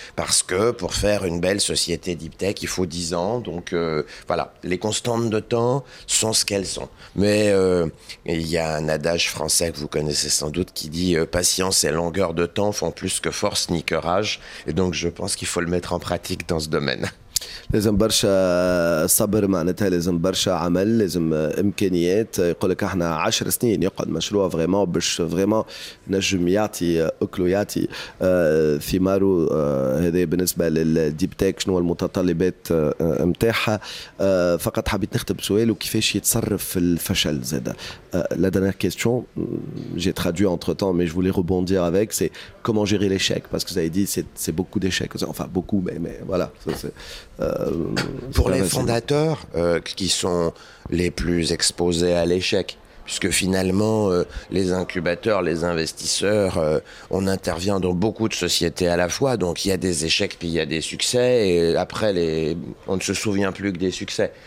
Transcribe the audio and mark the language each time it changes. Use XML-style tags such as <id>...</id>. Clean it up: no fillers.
<fr>Parce que pour faire une belle société deep tech, il faut 10 ans. Donc, voilà, les constantes de temps sont ce qu'elles sont. Mais il y a un adage français que vous connaissez sans doute qui dit « Patience et longueur de temps font plus que force ni que rage ». Et donc je pense qu'il faut le mettre en pratique dans ce domaine.</fr> <ar>لازم برشا صبر معناتها لازم برشا عمل لازم امكانيات يقولك احنا 10 سنين يقعد مشروع فريمون باش فريمون نجم يعطي اكلو يعطي ثمارو هذا بالنسبه للديب تيك شنو المتطلبات نتاعها فقط حبيت نختم سؤال وكيفاش يتصرف الفشل زاد لا</ar> <fr>dernière question j'ai traduit entre temps mais je voulais rebondir avec c'est comment gérer l'échec parce que vous avez dit c'est beaucoup d'échecs enfin beaucoup mais voilà ça c'est pour les fondateurs qui sont les plus exposés à l'échec, puisque finalement les incubateurs, les investisseurs, on intervient dans beaucoup de sociétés à la fois, donc il y a des échecs puis il y a des succès et après on ne se souvient plus que des succès.</fr>